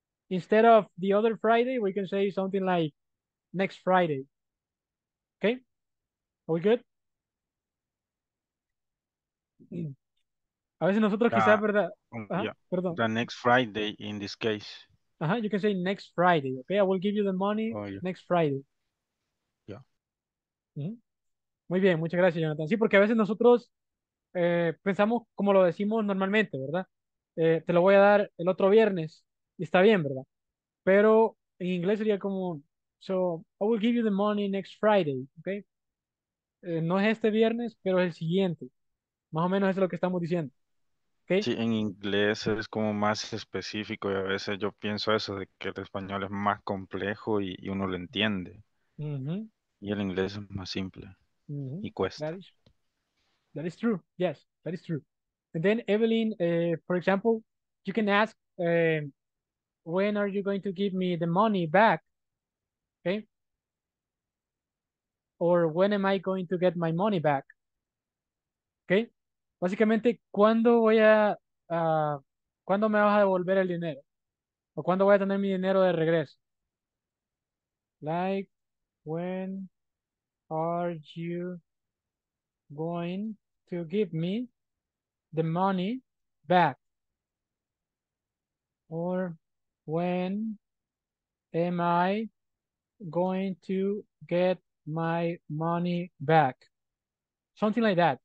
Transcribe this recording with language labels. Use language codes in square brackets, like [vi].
[en] Instead of the other Friday, we can say something like, next Friday, okay? Are we good? [es] A veces nosotros quizá, ¿verdad? Perdón. [en] The next Friday, in this case. Uh-huh, you can say next Friday, okay? I will give you the money next Friday. Yeah. Mm-hmm. [es] Muy bien, muchas gracias, Jonathan. Sí, porque a veces nosotros pensamos como lo decimos normalmente, ¿verdad? Te lo voy a dar el otro viernes y está bien, ¿verdad? Pero en inglés sería como, [en] so, I will give you the money next Friday, [es] okay? No es este viernes, pero es el siguiente. Más o menos eso es lo que estamos diciendo. Okay. Sí, en inglés es como más específico y a veces yo pienso eso, de que el español es más complejo y uno lo entiende. Uh-huh. Y el inglés es más simple y cuesta. [en] That is, That is true. Yes, that is true. And then Evelyn, for example, you can ask, when are you going to give me the money back? Okay. Or when am I going to get my money back? Okay. [es] Básicamente, ¿cuándo voy a, cuándo me vas a devolver el dinero? ¿O cuándo voy a tener mi dinero de regreso? [en] Like, when are you going to give me the money back? Or when am I going to get my money back? Something like that.